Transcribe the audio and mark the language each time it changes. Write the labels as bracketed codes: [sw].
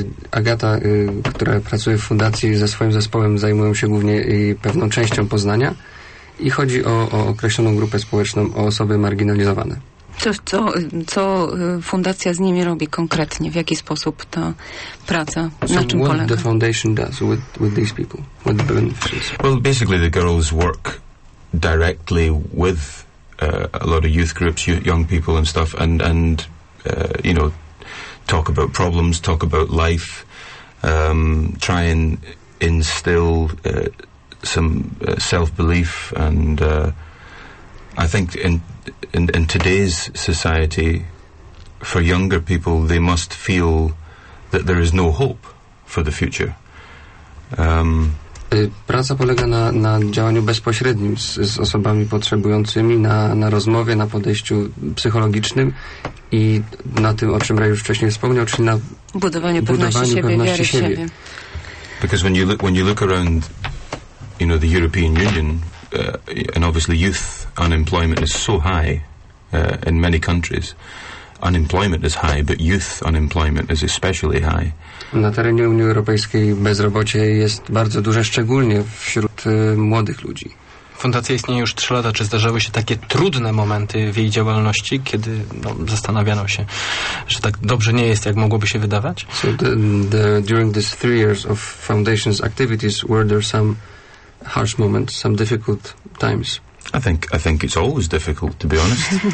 [pl] Agata, która pracuje w fundacji ze swoim zespołem, zajmują się głównie pewną częścią Poznania i chodzi o określoną grupę społeczną, o osoby marginalizowane. Co fundacja z nimi robi konkretnie? W jaki sposób ta praca, [en] so [pl] na czym polega? [en] So what the foundation does with these people, with the beneficiaries? Well, basically the girls work directly with a lot of youth groups, young people and stuff, and you know, talk about problems, talk about life, try and instill some self-belief, and I think in today's society, for younger people, they must feel that there is no hope for the future. [pl] Praca polega na działaniu bezpośrednim z osobami potrzebującymi, na rozmowie, na podejściu psychologicznym i na tym, o czym Ray już wcześniej wspomniał, czyli na budowaniu pewności siebie. [en] Because when you look around, you know, the European Union, and obviously youth unemployment is so high in many countries. Unemployment is high, but youth unemployment is especially high. [pl] Na terenie Unii Europejskiej bezrobocie jest bardzo duże, szczególnie wśród młodych ludzi. Fundacja istnieje już 3 lata. Czy zdarzały się takie trudne momenty w jej działalności, kiedy zastanawiano się, że tak dobrze nie jest, jak mogłoby się wydawać? [en] So during these 3 years of foundation's activities, were there some harsh moments, some difficult times? I think it's always difficult, to be honest.